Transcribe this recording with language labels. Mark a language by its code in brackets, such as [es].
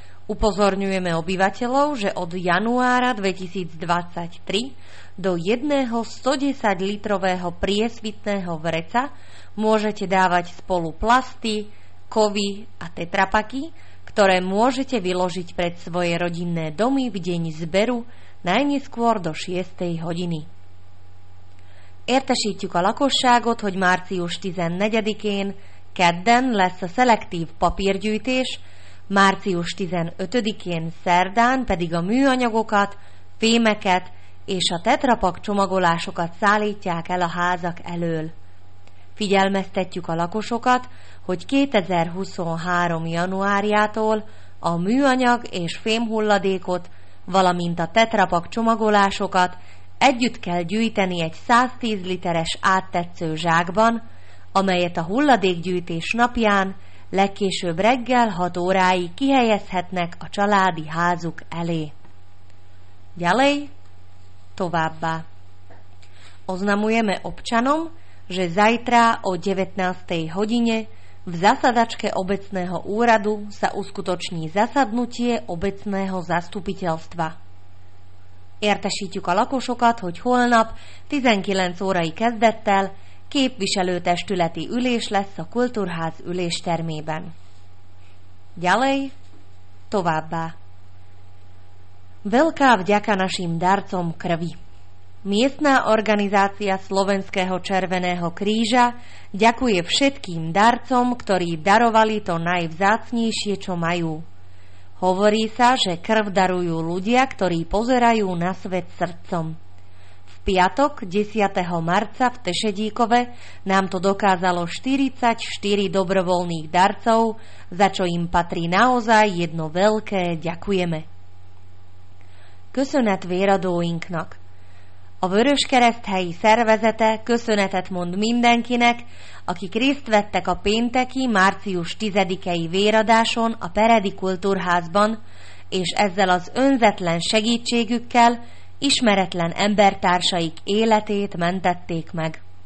[sk] Upozorňujeme obyvateľov, že od januára 2023 do jedného 110-litrového priesvitného vreca môžete dávať spolu plasty, kovy a tetrapaky, ktoré môžete vyložiť pred svoje rodinné domy v deň zberu najneskôr do 6. hodiny. [hu] Értesítjük a lakosságot, hogy március 14-én kedden lesz a szelektív papírgyűjtés, március 15-én szerdán pedig a műanyagokat, fémeket és a tetrapak csomagolásokat szállítják el a házak elől. Figyelmeztetjük a lakosokat, hogy 2023. januárjától a műanyag és fémhulladékot, valamint a tetrapak csomagolásokat együtt kell gyűjteni egy 110 literes áttetsző zsákban, amelyet a hulladékgyűjtés napján legkésőbb reggel 6 óráig kihelyezhetnek a családi házuk elé. [sk] Ďalej, [hu] továbbá. [sk] Oznamujeme občanom, že zajtra o 19. hodine v zasadačke obecného úradu sa uskutoční zasadnutie obecného zastupiteľstva. [hu] Értesítjük a lakosokat, hogy holnap 19 órai kezdettel képviselőtestületi ülés lesz a Kultúrház üléstermében. [sk] Ďalej, [hu] továbbá. [sk] Veľká vďaka našim darcom krvi. Miestna organizácia Slovenského červeného kríža ďakuje všetkým darcom, ktorí darovali to najvzácnejšie, čo majú. Hovorí sa, že krv darujú ľudia, ktorí pozerajú na svet srdcom. V piatok 10. marca v Tešedíkove nám to dokázalo 44 dobrovoľných darcov, za čo im patrí naozaj jedno veľké ďakujeme. [hu] Köszönet véradóinknak. A Vöröskereszt helyi szervezete köszönetet mond mindenkinek, akik részt vettek a pénteki, március 10-i véradáson a Peredi Kultúrházban, és ezzel az önzetlen segítségükkel ismeretlen embertársaik életét mentették meg.